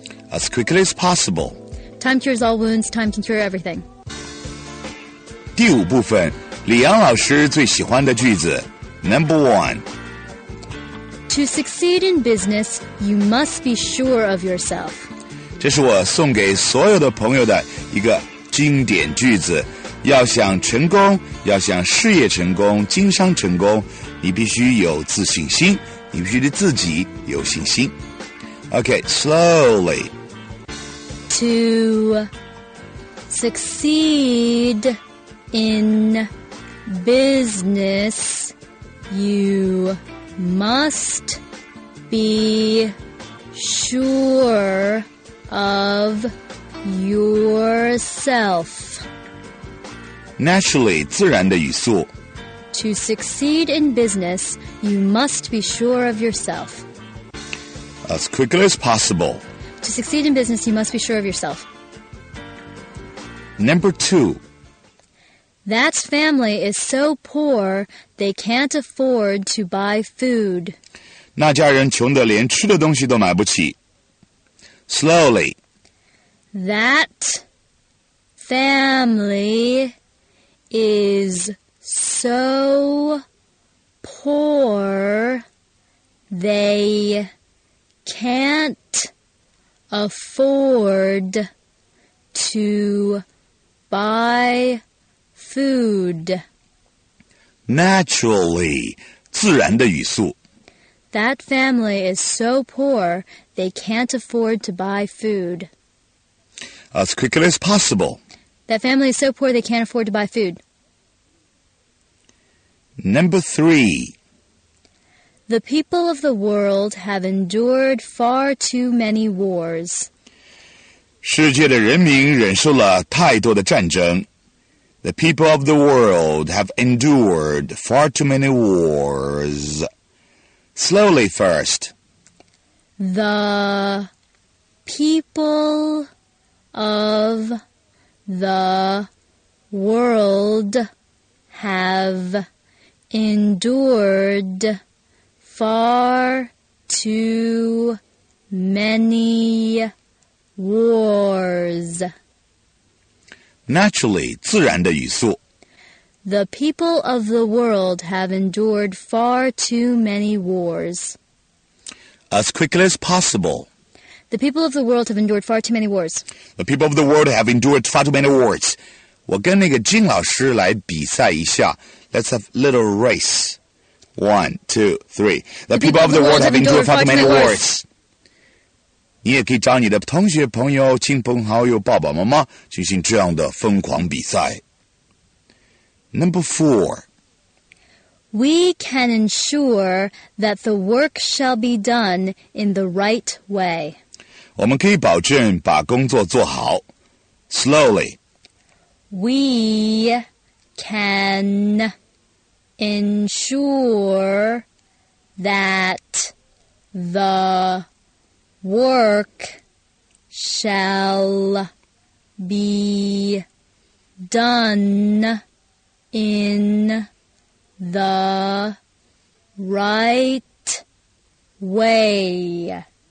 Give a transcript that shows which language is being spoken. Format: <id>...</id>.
<en>As quickly as possible. Time cures all wounds, time can cure everything.</en> <zh>第五部分，李阳老师最喜欢的句子</zh> <en>Number 1. To succeed in business, you must be sure of yourself.</en> <zh>这是我送给所有的朋友的一个经典句子。要想成功，要想事业成功，经商成功，你必须有自信心，你必须对自己有信心。</zh> <en>Okay, slowly. To succeed in business, you must be sure of yourself. Naturally,</en> <zh>自然的语速。</zh> <en>To succeed in business, you must be sure of yourself. As quickly as possible. To succeed in business, you must be sure of yourself. Number 2. That family is so poor, they can't afford to buy food.</en> <zh>那家人穷得连吃的东西都买不起。</zh> <en>Slowly. That family is so poor, theycan't afford to buy food. Naturally,</en> <zh>自然的语速。</zh> <en>That family is so poor, they can't afford to buy food. As quickly as possible. That family is so poor, they can't afford to buy food. Number 3. The people of the world have endured far too many wars.</en> <zh>世界的人民忍受了太多的战争。</zh> <en>The people of the world have endured far too many wars. Slowly first. The people of the world have endured... Far too many wars. Naturally,</en> <zh>自然的语速。</zh> <en>The people of the world have endured far too many wars. As quickly as possible. The people of the world have endured far too many wars. The people of the world have endured far too many wars.</en> <zh>我跟那个金老师来比赛一下。</zh> <en>Let's have a little race. 1, 2, 3. The people of the world have endured far too many wars.</en> <zh>你也可以找你的同学、朋友、亲朋好友、爸爸妈妈进行这样的疯狂比赛。</zh> <en>Number four. We can ensure that the work shall be done in the right way.</en> <zh>我们可以保证把工作做好。</zh> <en>Slowly. We can ensure that the work shall be done in the right way.</en>